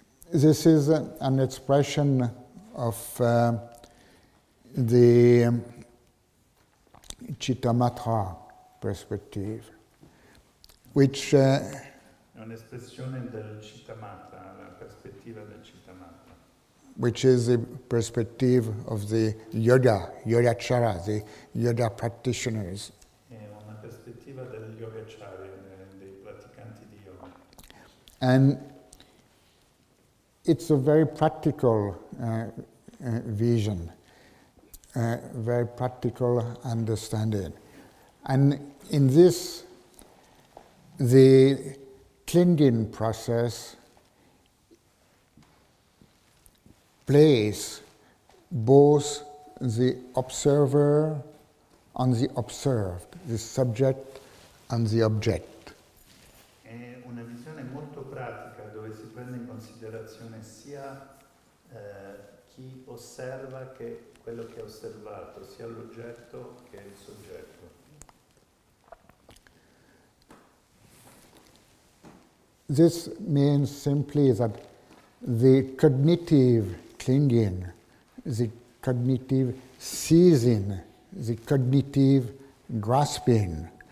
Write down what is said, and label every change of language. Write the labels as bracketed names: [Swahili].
[English] This is an expression of the Chittamatra perspective, which [Italian] un'espressione del Chittamatra, la prospettiva del Chittamatra. [English] Which is the perspective of the yogacara, the yoga practitioners. [Italian] Una perspettiva del yogacara, dei praticanti di yoga. [English] And it's a very practical vision, a very practical understanding. And in this, the clinging process place both the observer and the observed, the subject and the object. [Italian] È una visione molto pratica dove si prende in considerazione sia chi osserva che quello che è osservato, sia l'oggetto che il soggetto. [English] This means simply that the cognitive clinging, the cognitive seizing, the cognitive grasping